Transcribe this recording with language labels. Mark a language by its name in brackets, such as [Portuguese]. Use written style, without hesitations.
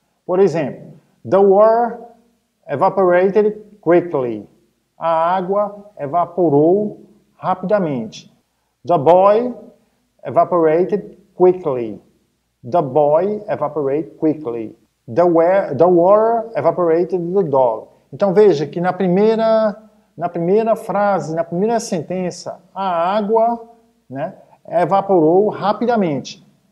[Portuguese] Por exemplo, [English] the water evaporated quickly. [Portuguese] A água evaporou rapidamente. [English] The boy evaporated quickly. The boy evaporated quickly. The water evaporated the dog. [Portuguese] Então veja que na primeira frase, na primeira sentença, a água, né, evaporou rapidamente.